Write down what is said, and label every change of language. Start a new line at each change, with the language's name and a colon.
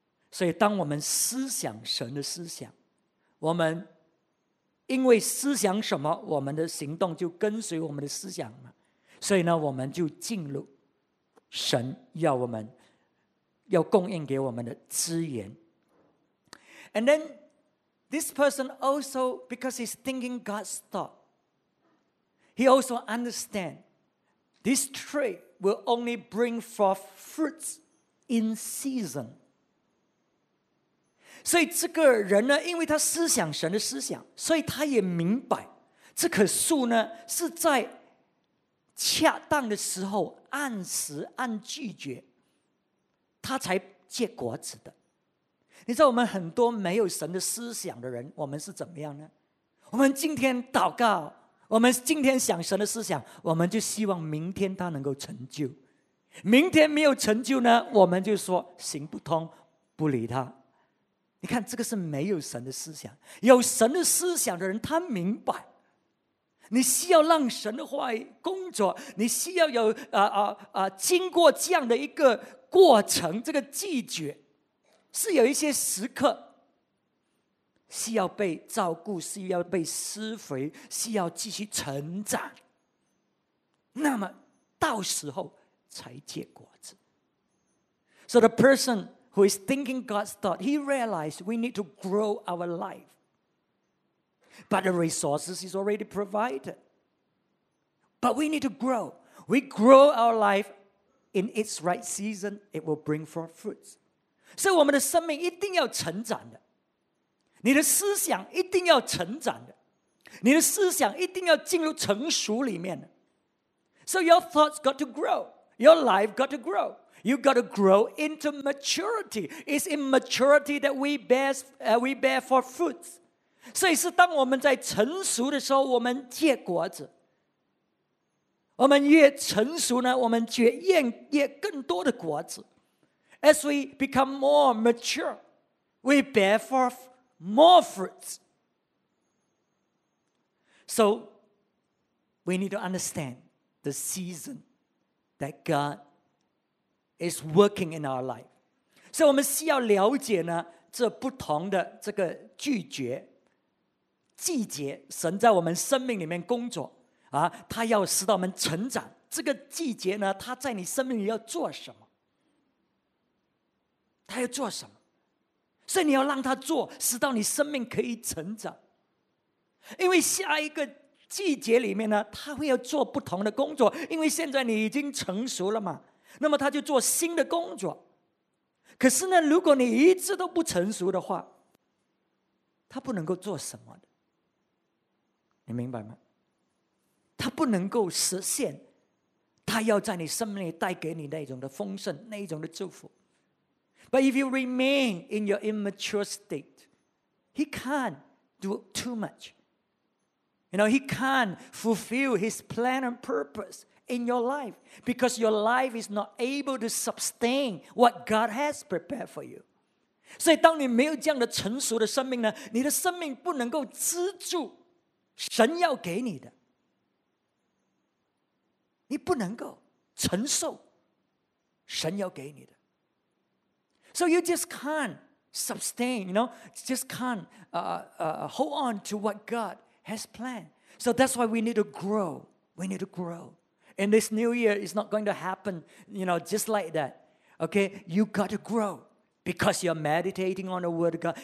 Chinese: 所以当我们思想神的思想，我们因为思想什么，我们的行动就跟随我们的思想嘛。所以呢，我们就进入神要我们要供应给我们的资源。
English: And then this person also, because he's thinking God's thought, he also understand this tree will only bring forth fruits in season.
Chinese: 所以这个人呢，因为他思想神的思想，所以他也明白这棵树呢是在恰当的时候按时按季节他才结果子的。你知道我们很多没有神的思想的人，我们是怎么样呢？我们今天祷告，我们今天想神的思想，我们就希望明天他能够成就，明天没有成就呢，我们就说行不通，不理他。你看这个是没有神的思想。有神的思想的人，他明白你需要让神的话语工作，你需要有经过这样的一个过程，这个季节是有一些时刻需要被照顾，需要被施肥，需要继续成长，那么到时候才结果子。
English: So the person who is thinking God's thought, he realized we need to grow our life, but the resources is already provided, but we need to grow. We grow our lifeIn its right season, it will bring forth fruits.
Chinese: 所以我们的生命一定要成长的，你的思想一定要成长的，你的思想一定要进入成熟里面的。
English: So your thoughts got to grow, your life got to grow, you got to grow into maturity. It's in maturity that we bear for fruits.
Chinese: 所以是当我们在成熟的时候，我们结果子。我们越成熟呢，我们却愿意更多的果子。
English: As we become more mature, we bear forth more fruits. So we need to understand the season that God is working in our life.
Chinese: 所以我们需要了解呢，这不同的这个季节，季节神在我们生命里面工作啊，他要使到我们成长，这个季节呢，他在你生命里要做什么，他要做什么，所以你要让他做，使到你生命可以成长。因为下一个季节里面呢，他会要做不同的工作，因为现在你已经成熟了嘛，那么他就做新的工作。可是呢，如果你一直都不成熟的话，他不能够做什么的，你明白吗？他不能够实现他要在你生命里带给你那种的丰盛，那种的祝福。
English: But if you remain in your immature state, he can't do too much. You know, he can't fulfill his plan and purpose in your life because your life is not able to sustain what God has prepared for you.
Chinese: 所以当你没有这样的成熟的生命呢，你的生命不能够支住神要给你的，你不能够承受神要给你的。
English: So you just can't sustain, you know, just can't hold on to what God has planned. So that's why we need to grow. We need to grow. And this new year is not going to happen, you know, just like that. Okay, you got to grow because you're meditating on the Word of God.